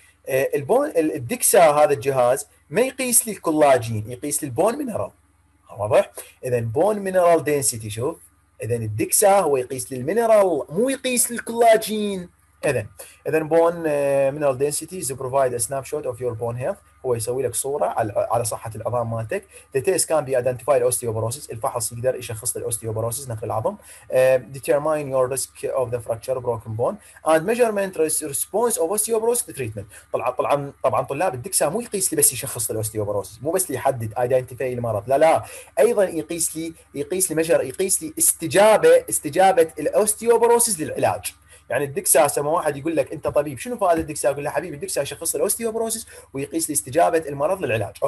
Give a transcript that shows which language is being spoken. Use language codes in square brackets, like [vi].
[ar] البون الدكسا هذا الجهاز ما يقيس لي الكولاجين، يقيس لي البون مينرال، واضح؟ اذا بون مينرال دنسيتي، شوف اذا الدكسا هو يقيس لي المينرال مو يقيس لي الكولاجين. [en] إذن bone mineral density is to provide a snapshot of your bone health. [ar] هو يسوي لك صورة على صحة العظام مالتك. [en] The test can be identified osteoporosis. [ar] الفحص يقدر يشخص الأوستيوبوروسيس نقل العظم. [en] Determine your risk of the fracture broken bone. And measurement response of osteoporosis treatment. [ar] طبعاً طلاب الدكسا مو يقيس لي بس يشخص الأوستيوبوروسيس، مو بس لي يحدد identify المرض، لا أيضاً يقيس لي مجر يقيس لي استجابة الأوستيوبوروسيس للعلاج. يعني الدكسا سما واحد يقول لك انت طبيب شنو فائده الدكسا؟ اقول له حبيبي الدكسا يشخص الاوستيوبروسيس ويقيس لي استجابه المرض للعلاج.